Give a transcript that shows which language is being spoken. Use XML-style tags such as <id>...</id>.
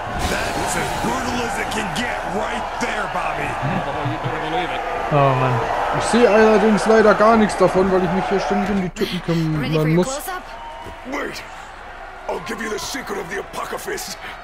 <en>That's as brutal as it can get right there, Bobby.</en> <de>Oh Mann. Ich sehe allerdings leider gar nichts davon, weil ich mich hier ständig um die Typen kümmern muss.</de> <en>I'll give you the secret of the Apocalypse.</en>